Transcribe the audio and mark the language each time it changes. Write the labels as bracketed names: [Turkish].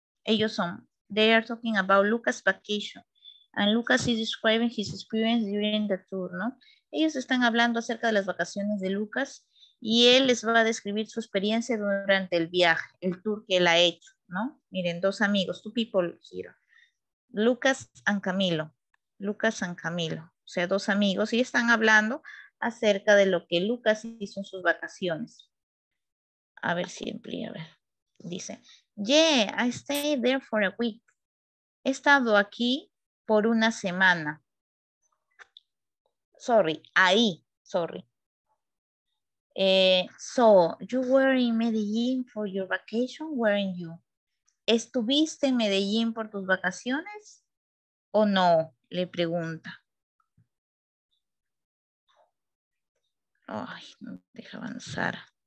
[Spanish] Ellos son, [English] they are talking about Lucas' vacation. And Lucas is describing his experience during the tour, [Spanish] ¿no? Ellos están hablando acerca de las vacaciones de Lucas y él les va a describir su experiencia durante el viaje, el tour que él ha hecho, ¿no? Miren, dos amigos, [English] two people here. Lucas and Camilo. [Spanish] Lucas and Camilo. O sea, dos amigos y están hablando acerca de lo que Lucas hizo en sus vacaciones. A ver si amplía, a ver. Dice, [English] yeah, I stayed there for a week. [Spanish] He estado aquí por una semana. [English] So, you were in Medellín for your vacation, weren't you? [Spanish] ¿Estuviste en Medellín por tus vacaciones o no? Le pregunta. Ay, no deja avanzar.